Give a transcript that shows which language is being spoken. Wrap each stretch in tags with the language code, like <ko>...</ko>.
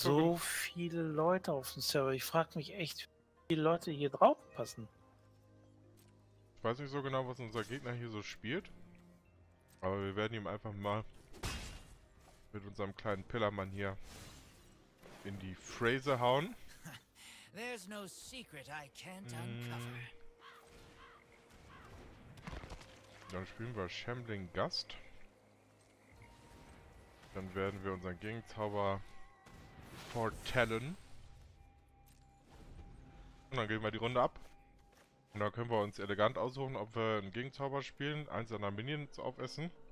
<de>so viele Leute auf dem Server. Ich frage mich echt, wie viele Leute hier drauf passen. Ich weiß nicht so genau, was unser Gegner hier so spielt. Aber wir werden ihm einfach mal mit unserem kleinen Pillermann hier in die Fräse hauen.</de> <en>There's no secret I can't uncover.</en> <de>Dann spielen wir Shambling Gust. Dann werden wir unseren Gegenzauber Fortellen. Und dann gehen wir die Runde ab. Und dann können wir uns elegant aussuchen, ob wir einen Gegenzauber spielen, eins seiner Minions aufessen.</de>